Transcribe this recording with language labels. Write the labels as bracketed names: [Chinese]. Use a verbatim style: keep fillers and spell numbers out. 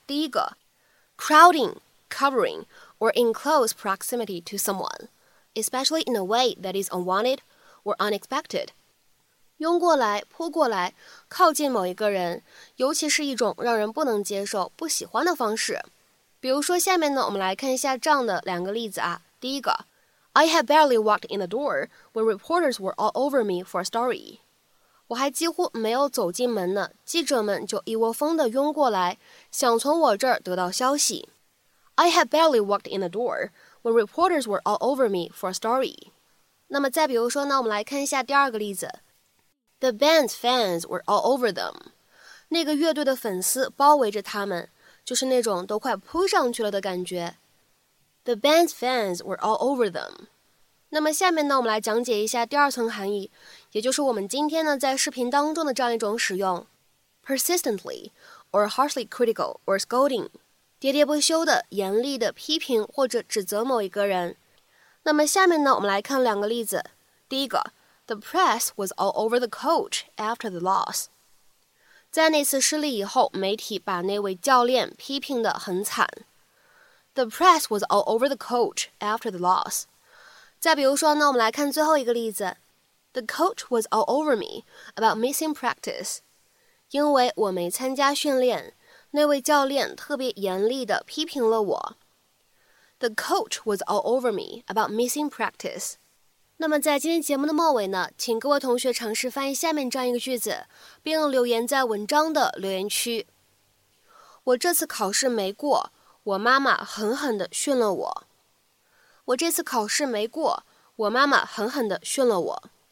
[Chinese] 第一个 [English] crowding, covering, or in close proximity to someone, especially in a way that is unwanted. or unexpected. [Chinese] 拥过来，扑过来，靠近某一个人，尤其是一种让人不能接受、不喜欢的方式。比如说下面呢，我们来看一下这样的两个例子啊。第一个 [English] I had barely walked in the door when reporters were all over me for a story. [Chinese] 我还几乎没有走进门呢，记者们就一窝蜂地拥过来，想从我这儿得到消息。 [English] I had barely walked in the door when reporters were all over me for a story. [Chinese] 那么再比如说呢，我们来看一下第二个例子。 [English] The band's fans were all over them. [Chinese] 那个乐队的粉丝包围着他们，就是那种都快扑上去了的感觉。 [English] The band's fans were all over them. [Chinese] 那么下面呢，我们来讲解一下第二层含义，也就是我们今天呢在视频当中的这样一种使用 [English] persistently or harshly critical or scolding， [Chinese] 喋喋不休的、严厉的批评或者指责某一个人。那么下面呢，我们来看两个例子。第一个 [English] The press was all over the coach after the loss. [Chinese] 在那次失利以后，媒体把那位教练批评得很惨。 [English] The press was all over the coach after the loss. [Chinese] 再比如说呢，我们来看最后一个例子。 [English] The coach was all over me about missing practice. [Chinese] 因为我没参加训练，那位教练特别严厉地批评了我。 [English] The coach was all over me about missing practice. [Chinese] 那么在今天节目的末尾呢，请各位同学尝试翻译下面这样一个句子，并留言在文章的留言区。我这次考试没过，我妈妈狠狠地训了我。我这次考试没过，我妈妈狠狠地训了我。